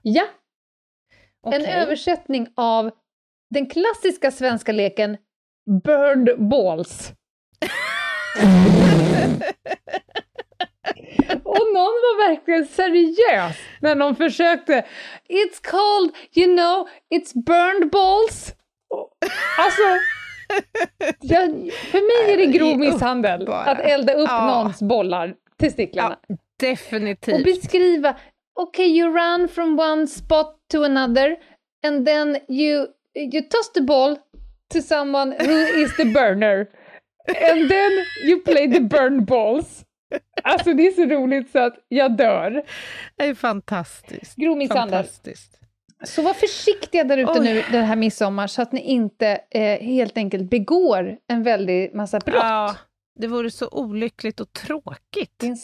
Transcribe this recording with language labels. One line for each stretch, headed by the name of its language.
Swedish: Ja. Okay. En översättning av den klassiska svenska leken burned balls. Och någon var verkligen seriös när de försökte.
English: It's called, you know, it's burned balls.
Swedish: Alltså, för mig är det grov misshandel att elda upp någons bollar till sticklarna. Ja, definitivt. Och beskriva,
English: okay, you run from one spot to another and then you toss the ball to someone who is the burner. And then you play the burn balls.
Swedish: Alltså det är så roligt så att jag dör. Det är fantastiskt. Grov misshandel. Fantastiskt. Så var försiktiga där ute nu den här midsommar så att ni inte helt enkelt begår en väldig massa brott. Ja, det vore så olyckligt och tråkigt.